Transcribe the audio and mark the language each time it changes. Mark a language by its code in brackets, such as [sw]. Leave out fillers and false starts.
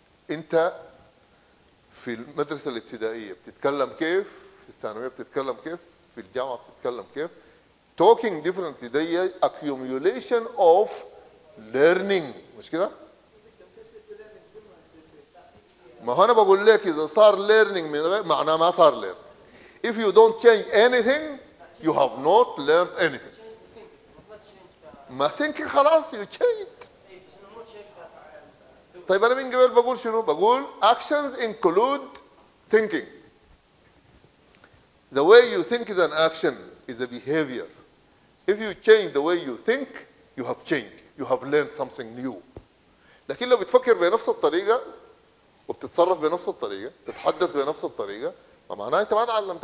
[ar] انت في المدرسة الابتدائية بتتكلم كيف؟ في الثانوية بتتكلم كيف؟ في الجامعة بتتكلم كيف؟ [en] talking differently [ar] دي [en] accumulation of learning [ar] مش كده؟ ما أنا بقول لك إذا صار learning من غير معناه ما صار learning. [en] If you don't change anything you have not learned anything. [ar] ما [en] think [ar] خلاص [en] you changed. [ar] طيب أنا من قبل بقول شنو؟ بقول [en] actions include thinking. The way you think is an action, is a behavior. If you change the way you think, you have changed. You have learned something new. [ar] لكن لو بتفكر بنفس الطريقة وبتتصرف بنفس الطريقة، تتحدث بنفس الطريقة، فمعناها أنت ما تعلمت.